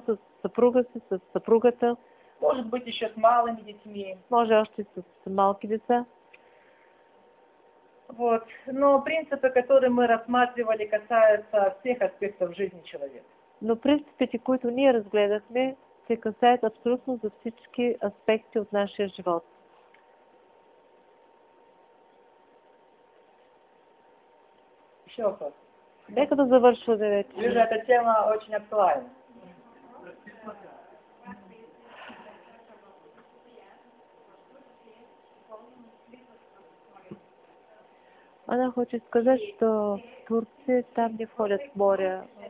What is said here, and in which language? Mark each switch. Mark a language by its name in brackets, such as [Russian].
[Bulgarian] С супруга си, с супругата. [Russian] Может быть, еще с малыми детьми. [Bulgarian] Може още с малки деца. [Russian] Вот. Но принципы, которые мы рассматривали, касаются всех аспектов жизни человека. [Bulgarian] Но принципите, които ние разгледахме, се касаят абсолютно за всички аспекти от нашия живот. [Russian] Еще вопрос. [Bulgarian] Нека да завършваме вече. [Russian] Вижда, эта тема очень актуальна. Она хочет сказать, что в Турции там не входят в море.